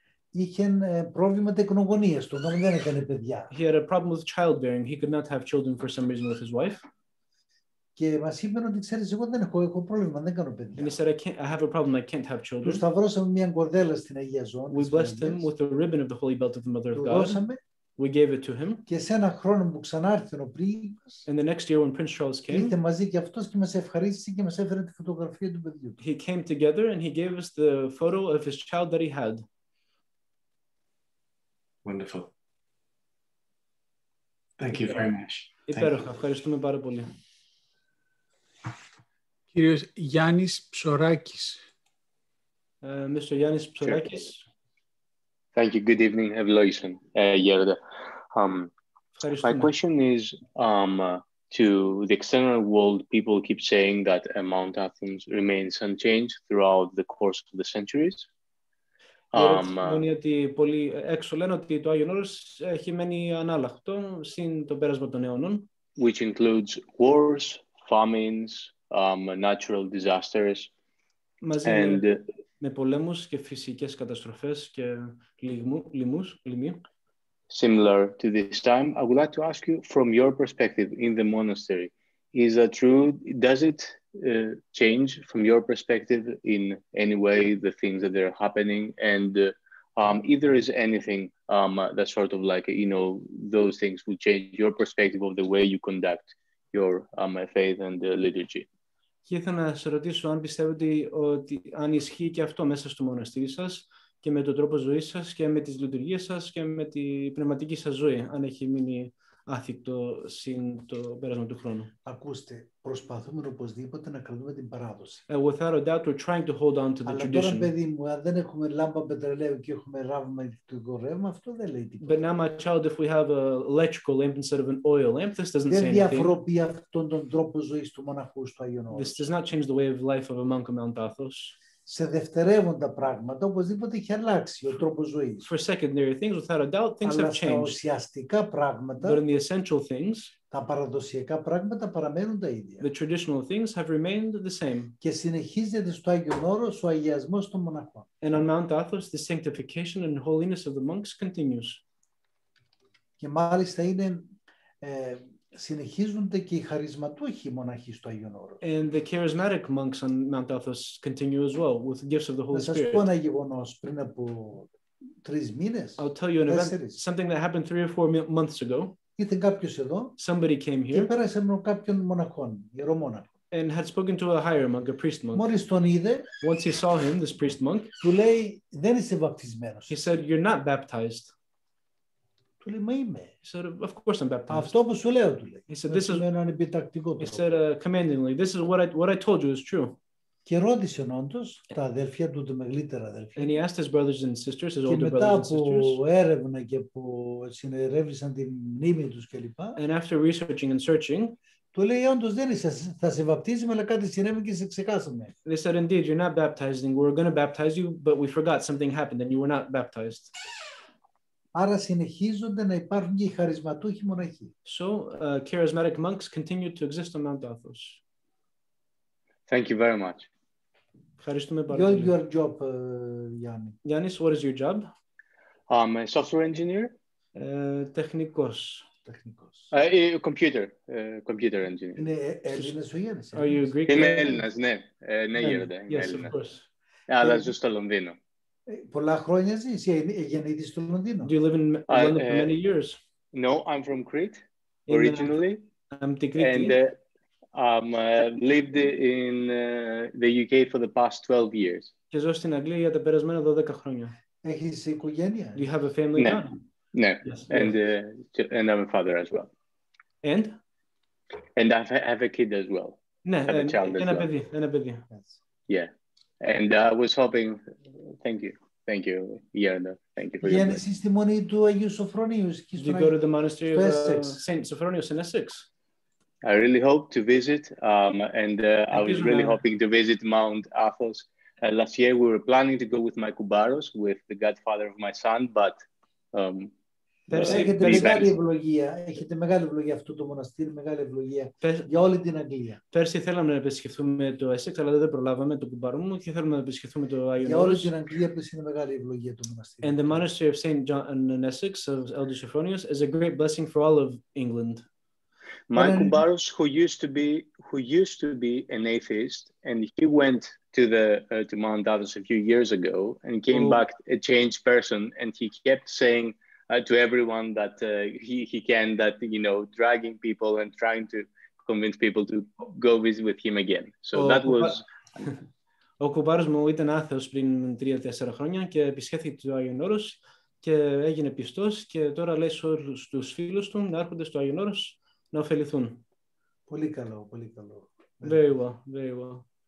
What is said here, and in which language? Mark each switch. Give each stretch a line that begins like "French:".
Greek: Είχε πρόβλημα τεκνογωνίας του, δεν έκανε παιδιά.
English: He had a problem with childbearing. He could not have children for some reason with his wife.
Greek: Και μας είπε ότι ξέρεις, εγώ δεν έχω πρόβλημα, δεν κάνω παιδιά.
English: And he said, I have a problem, I can't have children.
Greek: Του σταυρώσαμε μια κορδέλα στην Αγία Ζώνη.
English: We blessed him with the ribbon of the Holy Belt of the Mother of God. We gave it to him.
Greek: Και σε ένα χρόνο που ξανάρθει ο πρίγκιπας.
English: And the next year when Prince Charles came.
Greek: Ήρθε μαζί και αυτός και μας ευχαρίστησε και μας έφερε τη φωτογραφία του παιδιού.
English: He came together and he gave us the photo of his child that he had. Wonderful. Thank you very much.
Greek: Υπέροχα. Ευχαριστούμε πάρα πολύ. Κύριος Γιάννης Ψωράκης.
English: Mr. Γιάννης Ψωράκης. Thank you. Good evening,
Greek: Ευλόγησον. Γέροντα. Ευχαριστούμε.
English: My question is, to the external world, people keep saying that Mount Athos remains unchanged throughout the course of the centuries.
Greek: Ότι πολύ έξω λένε ότι το Άγιον Όρος έχει μένει ανάλλαχτο συν το πέρασμα των αιώνων.
English: Which includes wars, famines, natural disasters.
Greek: Μαζί
English: and,
Greek: με πολέμους και φυσικές καταστροφές και λοιμού.
English: Similar to this time, I would like to ask you from your perspective in the monastery, is that true? Does it change from your perspective in any way the things that are happening? And if there is anything that sort of like, you know, those things will change your perspective of the way you conduct your faith and liturgy.
Greek: Και ήθελα να σε ρωτήσω αν πιστεύετε ότι αν ισχύει και αυτό μέσα στο μοναστήρι σας και με τον τρόπο ζωής σας και με τις λειτουργίες σας και με την πνευματική σας ζωή, αν έχει μείνει άθικτο συν το πέρασμα του χρόνου. Ακούστε, προσπαθούμε οπωσδήποτε να κρατούμε την παράδοση.
English: And without a doubt, we're trying to hold on to the
Greek: αλλά
English: tradition.
Greek: Αλλά τώρα, παιδί μου, αν δεν έχουμε λάμπα πετρελαίου και έχουμε ράβμα ηλεκτρικό ρεύμα, αυτό δεν λέει τίποτα.
English: But now, my child, if we have an electrical lamp instead of an oil lamp, this doesn't
Greek: δεν
English: anything.
Greek: Δεν διαφοροποιεί αυτόν τον τρόπο ζωής του μοναχού στο Άγιον Όρος.
English: This does not change the way of life of a monk of Mount Athos.
Greek: Σε δευτερεύοντα πράγματα, οπωσδήποτε έχει αλλάξει ο τρόπος ζωής.
English: For secondary things, without a doubt, things have changed.
Greek: Αλλά στα ουσιαστικά πράγματα,
English: but in the essential things,
Greek: τα παραδοσιακά πράγματα παραμένουν τα ίδια.
English: The traditional things have remained the same.
Greek: Και συνεχίζεται στο Άγιον Όρος ο αγιασμός των μοναχών.
English: And on Mount Athos, the sanctification and holiness of the monks continues.
Greek: Και μάλιστα είναι... συνεχίζονται και οι χαρισματούχοι μοναχοί στο Άγιον Όρος.
English: And the charismatic monks on Mount Athos continue as well with the gifts of the Holy Spirit.
Greek: Να σας πω ένα γεγονός πριν από τρεις μήνες.
English: I'll tell you an event, something that happened three or four months ago.
Greek: Ήρθε κάποιος εδώ.
English: Somebody came here.
Greek: Και πέρασε με κάποιον μοναχόν, ιερό μοναχό.
English: And had spoken to a higher monk, a priest monk.
Greek: Μόλις τον είδε.
English: Once he saw him, this priest monk.
Greek: Του λέει, δεν είσαι βαπτισμένος.
English: He said, you're not baptized.
Greek: Του λέει, μα είμαι.
English: He said, of course I'm baptized.
Greek: Αυτό που σου λέω, του λέει.
English: He said, this is
Greek: έναν επιτακτικό τρόπο.
English: He said, commandingly, this is what I told you is true.
Greek: Και ρώτησε όντως τα αδέλφια του, τα μεγαλύτερα αδέλφια.
English: And he asked his brothers and sisters, his
Greek: και
English: older
Greek: μετά
English: brothers
Greek: από
English: and sisters.
Greek: Έρευνα και που συνερεύνησαν τη μνήμη τους και λοιπά.
English: And after researching and searching,
Greek: του λέει, όντως δεν είσαι, θα σε βαπτίζουμε, αλλά κάτι συνέβη και σε ξεχάσαμε.
English: They said, indeed, you're not baptizing. We're going to baptize you, but we forgot something happened and you were not baptized.
Greek: Άρα συνεχίζονται να υπάρχουν και οι χαρισματούχοι μοναχοί.
English: So, charismatic monks continue to exist on Mount Athos. Thank you very much.
Greek: Ευχαριστούμε πάρα πολύ.
English: Your job, Γιάννη. Γιάννης, what is your job? I'm a software engineer.
Greek: Τεχνικός. Τεχνικός.
English: Computer. Computer engineer.
Greek: Είναι Έλληνας ο Γιάννης.
English: Are you Greek?
Greek: Είμαι Έλληνας, ναι. Ναι, γέροντα.
English: Yes,
Greek: Έλληνας.
English: Of course.
Greek: Αλλά ζω στο Λονδίνο. Πολλά χρόνια ζεις, γεννήθηκες στο Λονδίνο.
English: Do you live in London for many years? No, I'm from Crete, originally. I'm the Crete. And lived in the UK for the past 12 years.
Greek: Και ζω στην Αγγλία για τα περασμένα 12 χρόνια. Έχεις οικογένεια?
English: Do you have a family?
Greek: Ναι, ναι.
English: And I'm a father as well. And? And I have a kid as well.
Greek: Ναι, ένα παιδί, ένα παιδί.
English: Yeah. And I was hoping, thank you, Yerna, thank you for your
Greek: Γέννησες στη μονή του Αγίου Σοφρονίου.
English: Do you go to the monastery of St. Sophronius in Essex? I really hope to visit, I was really hoping to visit Mount Athos. Last year we were planning to go with my kubaros, with the godfather of my son, but...
Greek: Έχετε μεγάλη ευλογία αυτού του μοναστήρι, μεγάλη ευλογία για όλη την Αγγλία. Πέρσι θέλαμε να επισκεφθούμε το Essex, αλλά δεν προλάβαμε το κουμπάρο μου και θέλουμε να επισκεφθούμε το Άγιον Όρος. Για όλη την Αγγλία πέρσι είναι μεγάλη ευλογία το μοναστήρι.
English: And the monastery of St. John in Essex, of Elder Sophronius, is a great blessing for all of England. My kumbaros, who used to be an atheist, and he went to Mount Athos a few years ago and came back a changed person, and he kept saying to everyone that he can, that, you know, dragging people and trying to convince people to go visit with him again. So that was...
Greek: Ο κουμπάρος μου ήταν άθεος πριν 3-4 χρόνια και επισκέφθηκε το Άγιον Όρος και έγινε πιστός και τώρα λέει σε όλους τους φίλους του να έρχονται στο Άγιον Όρος να ωφεληθούν. Πολύ καλό, πολύ καλό.
English: Very well, very well.